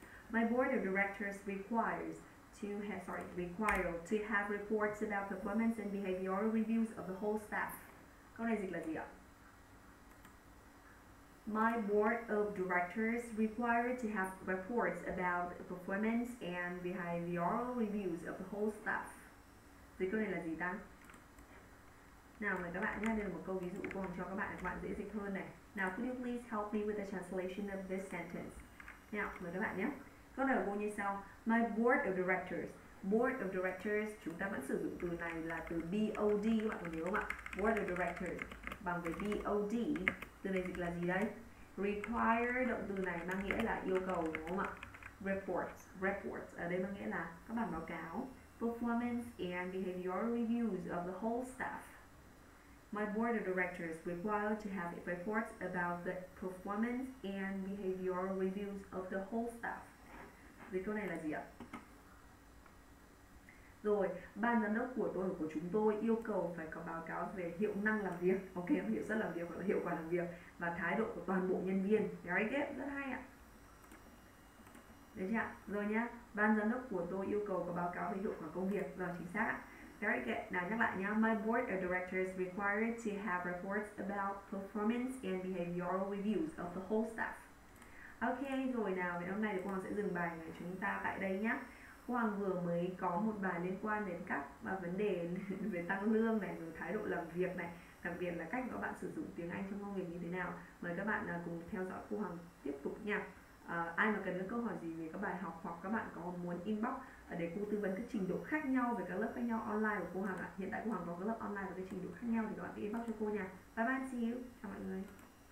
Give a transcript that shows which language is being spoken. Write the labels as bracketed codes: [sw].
[en] My board of directors require to have reports about performance and behavioral reviews of the whole staff. [vi] Câu này dịch là gì ạ? [en] My board of directors require to have reports about performance and behavioral reviews of the whole staff. [vi] Dịch câu này là gì ta? Nào mời các bạn nhé, đây là một câu ví dụ cô Hồng cho các bạn dễ dịch hơn này. [en] Now, could you please help me with the translation of this sentence? [vi] Nào, mời các bạn nhé. Câu này của cô như sau. [en] My board of directors. [vi] Board of directors, chúng ta vẫn sử dụng từ này là từ BOD, các bạn có nhớ không ạ? Board of directors bằng với BOD, từ này dịch là gì đấy? Require, động từ này mang nghĩa là yêu cầu, đúng không ạ? Reports, reports, ở đây mang nghĩa là các bản báo cáo. [en] Performance and behavioral reviews of the whole staff. My board of directors require to have reports about the performance and behavioral reviews of the whole staff. [vi] Dịch câu này là gì ạ? Rồi, ban giám đốc của chúng tôi yêu cầu phải có báo cáo về hiệu năng làm việc, ok, hiệu suất làm việc hoặc là hiệu quả làm việc và thái độ của toàn bộ nhân viên. [en] Very good, [vi] rất hay ạ. Được chưa ạ? Rồi nhá, ban giám đốc của tôi yêu cầu có báo cáo về hiệu quả công việc. Rồi, chính xác ạ. [en] Very good. Now, [vi] nhắc lại nhá. [en] My board of directors required to have reports about performance and behavioral reviews of the whole staff. [vi] Ok, rồi nào. Vậy hôm nay thì cô Hoàng sẽ dừng bài của chúng ta tại đây nhá. Cô Hoàng vừa mới có một bài liên quan đến các vấn đề về tăng lương này, về thái độ làm việc này, đặc biệt là cách các bạn sử dụng tiếng Anh trong công việc như thế nào. Mời các bạn cùng theo dõi cô Hoàng tiếp tục nha. Ai mà cần những câu hỏi gì về các bài học hoặc các bạn có muốn inbox để cô tư vấn các trình độ khác nhau về các lớp khác nhau online của cô Hằng ạ. Hiện tại cô Hằng có các lớp online với các trình độ khác nhau thì các bạn inbox cho cô nha. [en] Bye bye, see you. [vi] Chào mọi người.